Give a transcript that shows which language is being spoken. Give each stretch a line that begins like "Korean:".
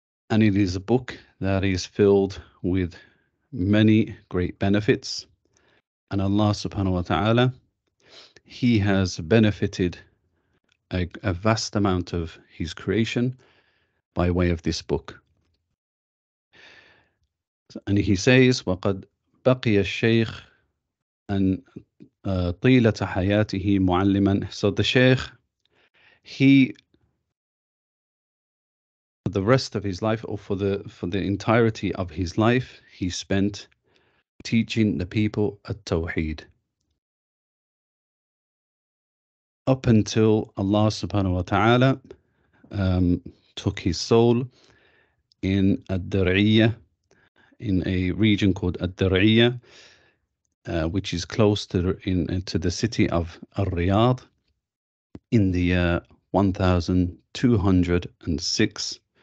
English: And it is a book that is filled with many great benefits. And Allah subhanahu wa ta'ala, He has benefited a vast amount of His creation by way of this book.
Arabic: And he says, وَقَدْ بَقِيَ الشَّيْخ أَنْ طِيلَةَ حَيَاتِهِ مُعَلِّمًا.
English: So the Shaykh, for the rest of his life, or for the entirety of his life, he spent teaching the people at Tawheed. Up until Allah subhanahu wa ta'ala took his soul in Ad-Dar'iyya, in a region called Ad-Dar'iyya, which is close to the city of Ar-Riyadh, in the year 1206.